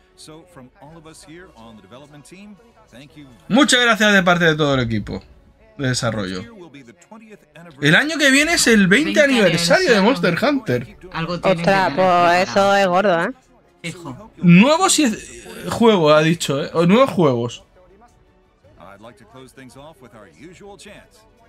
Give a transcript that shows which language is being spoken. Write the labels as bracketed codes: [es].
[en] So, from all of us here on the development team, thank you. [es] Muchas gracias de parte de todo el equipo de desarrollo. El año que viene es el 20 aniversario de Monster Hunter. Ostras, pues eso es gordo, ¿eh? Hijo. Nuevo juego, ha dicho, ¿eh? O nuevos juegos. [en] I'd like to close things off with our usual chance.